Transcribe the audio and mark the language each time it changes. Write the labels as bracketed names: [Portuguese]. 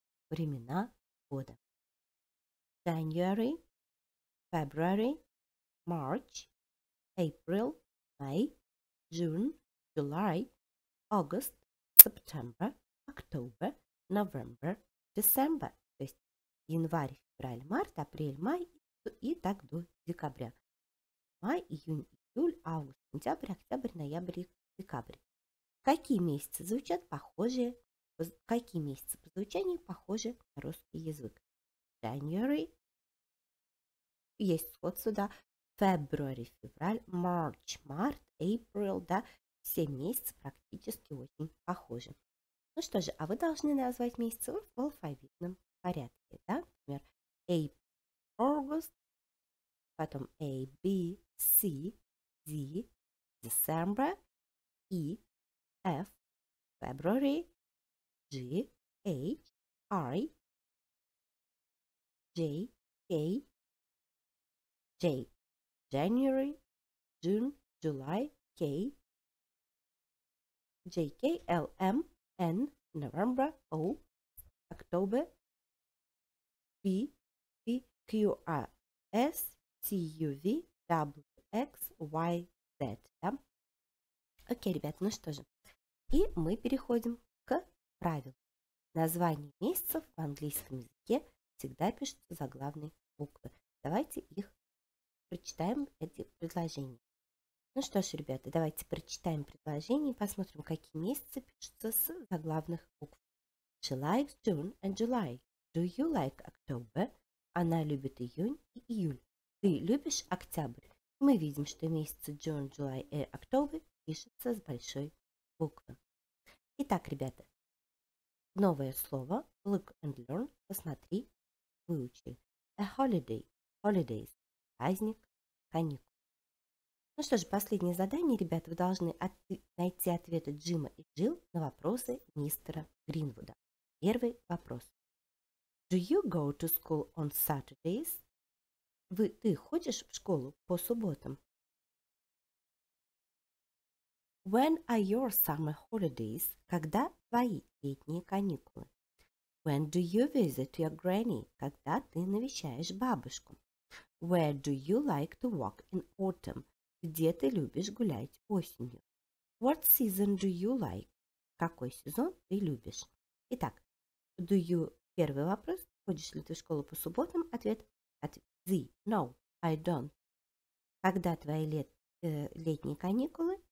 [Russian] Времена года. [English] January, February. March, April, May, June, July, August, September, October, November, December. [Russian] То есть январь, февраль, март, апрель, май и так до декабря. Май, июнь, июль, август, сентябрь, октябрь, ноябрь, декабрь. Какие месяцы звучат похожие? Какие месяцы по звучанию похожи на русский язык? January. Есть сходство, да. February, февраль, March, март, April, да. Все месяцы практически очень похожи. Ну что же, а вы должны назвать месяцы в алфавитном порядке, да? [English] Например, April, August, потом A, B, C, D, December, E, F, February, G, H, I, J, K, J, January, June, July, K, J, K, L, M, N, November, O, October, B, B, Q, R, S, T, U, V, W, X, Y, Z. [Russian] Да? Окей, ребята, ну что же. И мы переходим к правилам. Названия месяцев в английском языке всегда пишутся заглавной буквы. Давайте их прочитаем, эти предложения. Ну что ж, ребята, давайте прочитаем предложение и посмотрим, какие месяцы пишутся с заглавных букв. [English] She likes June and July. Do you like October? [Russian] Она любит июнь и июль. Ты любишь октябрь? Мы видим, что месяцы June, July и October пишутся с большой буквы. Итак, ребята, новое слово [English] look and learn, [Russian] посмотри, выучи. [English] A holiday, holidays, [Russian] праздник, каникул. Ну что же, последнее задание, ребята, вы должны найти ответы Джима и Джилл на вопросы мистера Гринвуда. Первый вопрос. [English] Do you go to school on Saturdays? [Russian] Ты ходишь в школу по субботам? [English] When are your summer holidays? [Russian] Когда твои летние каникулы? [English] When do you visit your granny? [Russian] Когда ты навещаешь бабушку? [English] Where do you like to walk in autumn? [Russian] Где ты любишь гулять осенью? [English] What season do you like? [Russian] Какой сезон ты любишь? Итак, [English] do you... [Russian] Первый вопрос. Ходишь ли ты в школу по субботам? [English] Ответ. No, I don't. [Russian] Когда твои летние каникулы?